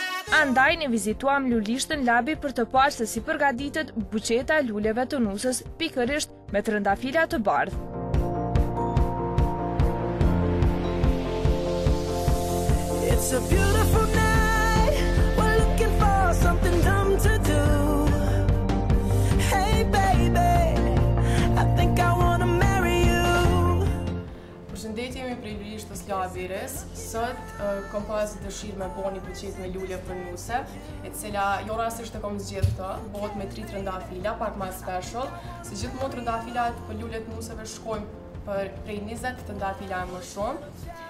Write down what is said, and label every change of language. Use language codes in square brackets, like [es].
[sq] Andaj ne vizituam lulishtën Labi për të parë se si përgatitet buqeta e luleve të nusës, pikërisht me trëndafila të bardhë. [en] It's a beautiful night, we're looking for something dumb to do. Hey baby, I think I wanna marry you. [sq] Përshëndetje, jemi prej lulishtës Labi Res. Sot kom pas dëshirë me bo një buqet me lule për nuse, e cila jo rastisht të kom zgjedhë të, bot me tri trëndafila, pak ma special. Si gjithë mu trëndafilat për lule të nuseve shkojmë për prej 20 trëndafila e më shumë.